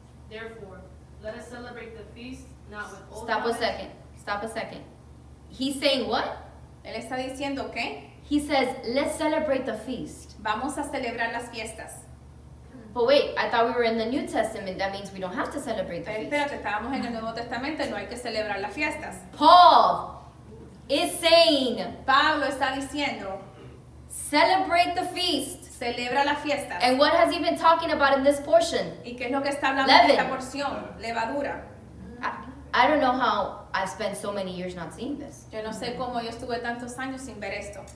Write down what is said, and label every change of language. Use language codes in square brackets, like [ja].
[en] Therefore, let us celebrate the feast, not with old Stop [he] hametz. [en] Stop a second. He's saying what? [es] Él está diciendo qué? [en] He says, let's celebrate the feast. [es] Vamos a celebrar las fiestas. [en] But wait, I thought we were in the New Testament. That means we don't have to celebrate the feast. [es] Espérate, estábamos en el Nuevo Testamento, no hay que celebrar las fiestas. [en] Paul! Is saying, [es] Pablo está diciendo, [en] celebrate the feast. [es] Celebra la fiesta. [en] And what has he been talking about in this portion? [es] ¿Y qué es lo que está hablando [en] Leaven. [es] En esta porción? Levadura. [en] I don't know how I've spent so many years not seeing this. [es] Yo no sé cómo yo estuve tantos años sin ver esto.